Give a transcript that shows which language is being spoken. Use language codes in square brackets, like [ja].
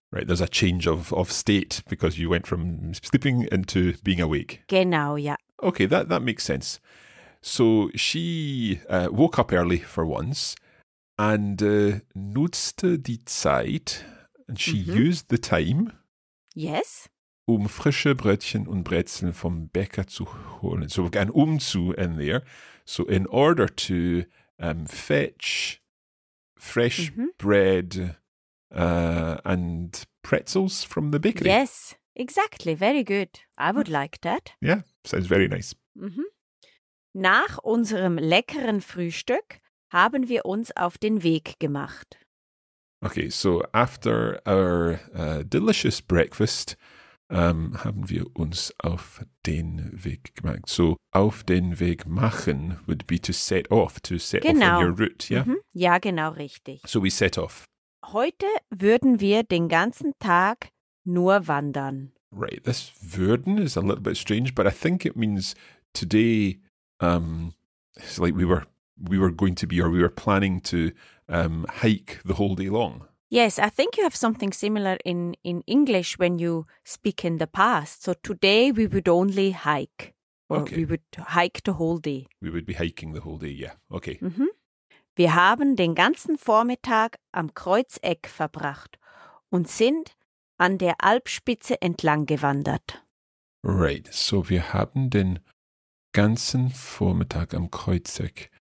[en] Right, there's a change of state because you went from sleeping into being awake. [de] Genau, yeah. [en] Okay, that makes sense. So she woke up early for once and [de] nutzte die Zeit, [en] and she used the time. Yes. [de] Um frische Brötchen und Brezeln vom Bäcker zu holen. [en] So we've got an zu in there. So in order to fetch fresh bread and pretzels from the bakery. Yes, exactly. Very good. I would like that. Yeah, sounds very nice. Mm-hmm. [de] Nach unserem leckeren Frühstück haben wir uns auf den Weg gemacht. [en] Okay, so after our delicious breakfast, [de] haben wir uns auf den Weg gemacht. [en] So [de] auf den Weg machen [en] would be to set [de] genau. [en] off on your route. Yeah? [de] Mm-hmm. Ja, genau, richtig. [en] So we set off. [de] Heute würden wir den ganzen Tag nur wandern. [en] Right, this würden is a little bit strange, but I think it means today, it's like we were going to be, or we were planning to hike the whole day long. Yes, I think you have something similar in English when you speak in the past. So today we would only hike, or okay. we would hike the whole day. We would be hiking the whole day, yeah, okay. Mm-hmm. [de] Wir haben den ganzen Vormittag am Kreuzeck verbracht und sind an der Alpspitze entlang gewandert. Right, so wir haben den ganzen Vormittag am Kreuzeck.